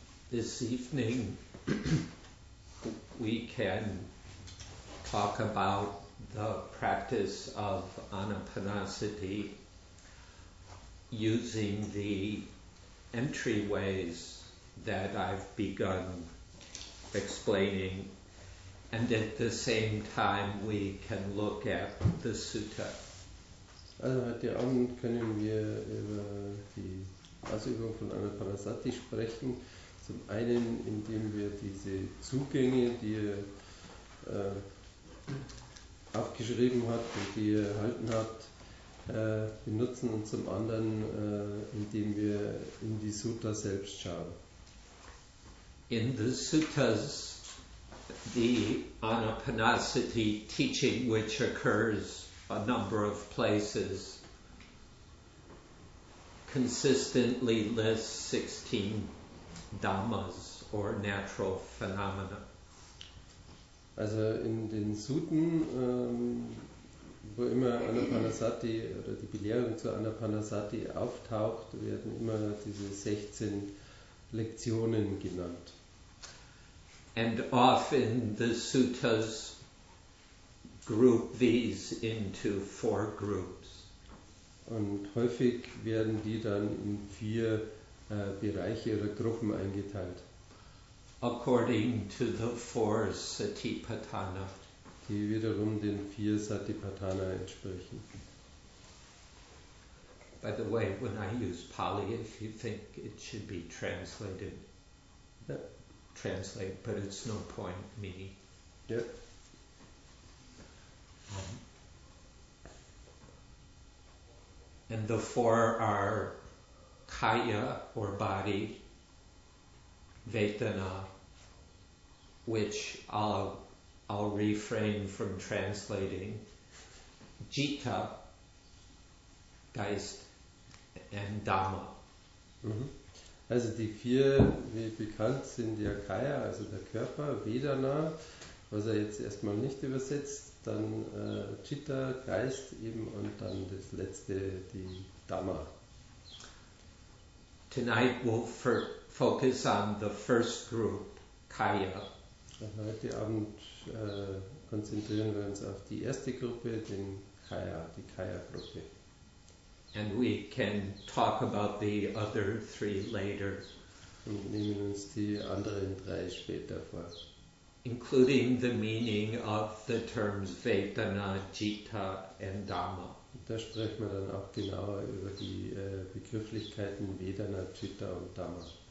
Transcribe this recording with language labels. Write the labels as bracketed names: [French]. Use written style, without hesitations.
[English] This evening, we can talk about the practice of Anapanasati using the entryways that I've begun explaining, and at the same time we can look at the sutta. [German] Also heute Abend können wir über die Ausübung von Anapanasati sprechen. Zum einen, indem wir diese Zugänge, die er aufgeschrieben hat und die er erhalten hat, benutzen, und zum anderen, indem wir in die Sutta selbst schauen. [English] In the suttas, the Anapanasati teaching, which occurs a number of places, consistently lists 16 Dhammas or natural phenomena. [German] Also in den Sutten, wo immer Anapanasati oder die Belehrung zu Anapanasati auftaucht, werden immer diese 16 Lektionen genannt. [English] And often the suttas group these into four groups. [German] Und häufig werden die dann in vier Bereiche oder Gruppen eingeteilt. [English] According to the four Satipatthana. [German] Die wiederum den vier Satipatthana entsprechen. [English] By the way, when I use Pali, if you think it should be translated, yep. Translate, but it's no point me. Yep. And the four are Kaya, or body, Vedana, which I'll refrain from translating, Jitta, Geist, and Dhamma. Mm-hmm. [German] Also die vier, wie bekannt, sind ja Kaya, also der Körper, Vedana, was er jetzt erstmal nicht übersetzt, dann Jitta, Geist eben, und dann das letzte, die Dhamma. [English] Tonight we'll focus on the first group, Kaya. [German] Heute Abend konzentrieren wir uns auf die erste Gruppe, den Kaya, die Kaya-Gruppe. [English] And we can talk about the other three later. [German] Und nehmen uns die anderen drei später vor. [English] Including the meaning of the terms Vedana, Jitta and Dhamma. [German] Da sprechen wir dann auch genauer über die Begrifflichkeiten Vedana, Citta und Dhamma.